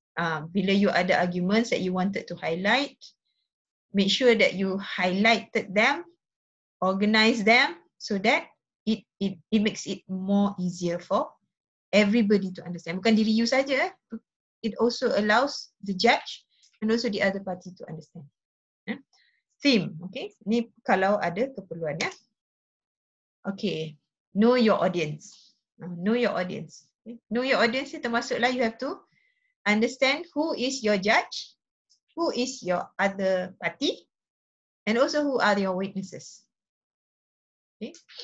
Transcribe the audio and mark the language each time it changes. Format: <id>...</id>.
<en>Bila you ada arguments that you wanted to highlight, make sure that you highlighted them, organize them so that it makes it more easier for everybody to understand.</en> <ms>Bukan diri you saja.</ms> <en>It also allows the judge and also the other party to understand. Theme, okay?</en> <ms>Ni kalau ada keperluan, ya?</ms> <en>Okay. Know your audience. Know your audience. Okay. Know your audience</en> <ms>ni termasuklah</ms> <en>you have to understand who is your judge, who is your other party, and also who are your witnesses. Okay?</en>